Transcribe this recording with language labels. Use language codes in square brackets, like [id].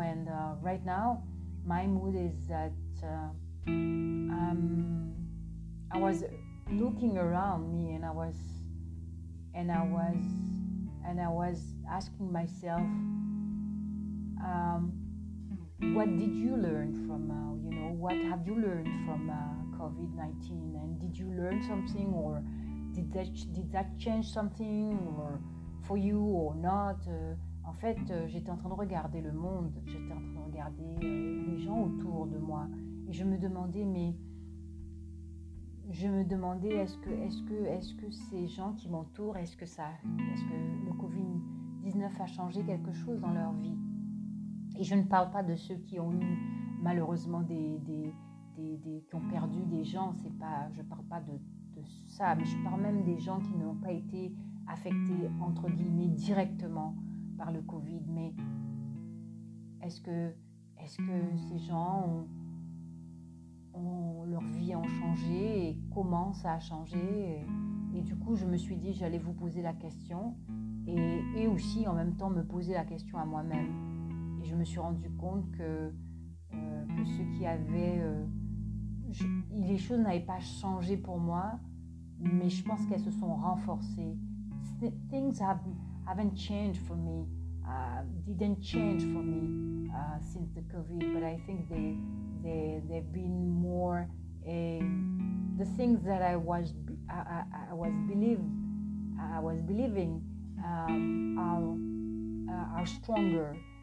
[en] And right now, my mood is that I was looking around me, and I was asking myself, what did you learn from, you know, what have you learned from COVID-19? And did you learn something, or did that change something, or for you or not? [fr] En fait, j'étais en train de regarder le monde, j'étais en train de regarder les gens autour de moi, et je me demandais, est-ce que ces gens qui m'entourent, est-ce que le Covid-19 a changé quelque chose dans leur vie? Et je ne parle pas de ceux qui ont eu malheureusement des qui ont perdu des gens, je ne parle pas de ça, mais je parle même des gens qui n'ont pas été affectés entre guillemets directement par le Covid, mais est-ce que ces gens ont leur vie a changé et comment ça a changé, et du coup je me suis dit j'allais vous poser la question et aussi en même temps me poser la question à moi-même, et je me suis rendu compte que ceux qui avaient les choses n'avaient pas changé pour moi, mais je pense qu'elles se sont renforcées. [en] Things haven't changed for me. Didn't change for me since the COVID, but I think they've been more the things that I was believing are stronger.